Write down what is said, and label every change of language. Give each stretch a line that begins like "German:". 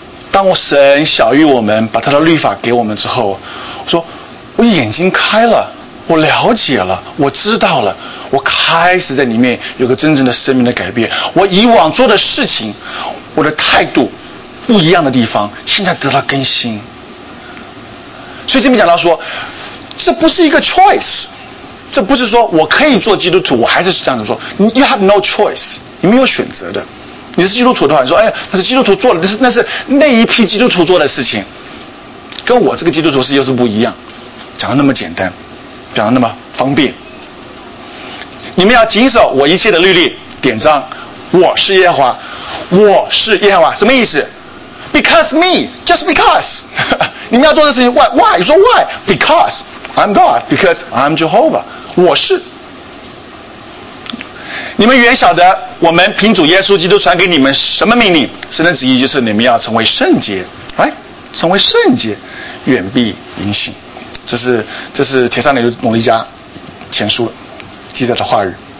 Chinese: 当神晓谕我们把他的律法给我们之后，我说我眼睛开了，我了解了，我知道了，我开始在里面有个真正的生命的改变，我以往做的事情，我的态度不一样的地方现在得到更新。所以这边讲到说，这不是一个
English: choice，
Chinese: 这不是说我可以做基督徒，我还是这样子说。
English: You have no choice，
Chinese: 你没有选择的。你是基督徒的话，你说，哎，那是基督徒做的，那是那一批基督徒做的事情，跟我这个基督徒是又是不一样。讲的那么简单，讲的那么方便。你们要谨守我一切的律例典章，我是耶和华，我是耶和华，什么意思？
English: Because me, just because.
Chinese: 你们要做的事情
English: why?
Chinese: 你说 why?
English: Because I'm God, because I'm Jehovah.
Chinese: 我是。你们原晓得我们凭主耶稣基督传给你们什么命令？神的旨意就是你们要成为圣洁，成为圣洁，远避淫心。这是帖撒罗尼迦前书记载的话语。